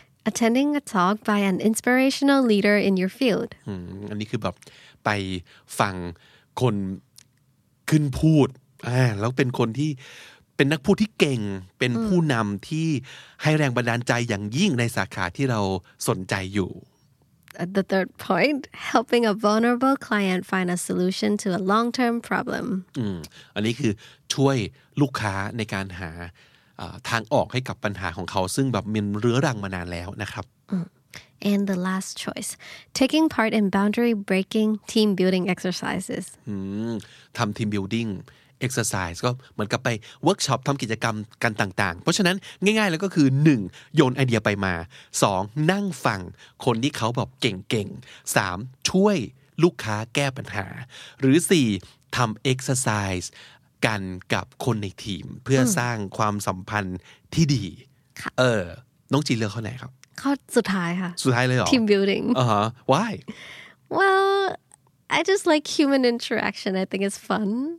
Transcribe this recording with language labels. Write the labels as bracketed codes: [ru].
[en] Attending a talk by an inspirational leader in your field. [th] อันนี้คือแบบไปฟังคนขึ้นพูดแล้วเป็นคนที่เป็นนักพูดที่เก่งเป็นผู้นำที่ให้แรงบันดาลใจอย่างยิ่งในสาขาที่เราสนใจอยู่ [en] The third point, helping a vulnerable client find a solution to a long-term problem. [th] อันนี้คือช่วยลูกค้าในการหาทางออกให้กับปัญหาของเขาซึ่งแบบมันเรื้อรังมานานแล้วนะครับ [en] And the last choice taking part in boundary breaking team building exercises [th] ทำ team building exercise ก็เหมือนกับไป workshop ทำกิจกรรมกันต่างๆเพราะฉะนั้นง่ายๆแล้วก็คือ 1. โยนไอเดียไปมา 2. นั่งฟังคนที่เขาแบบเก่งๆ 3. ช่วยลูกค้าแก้ปัญหาหรือ 4. ทำ exerciseกันกับคนในทีมเพื่อสร้างความสัมพันธ์ที่ดีน้องจีเลือกข้อไหนครับ ข้อสุดท้ายค่ะ สุดท้ายเลยเหรอ [en] team building why well I just like human interaction I think it's fun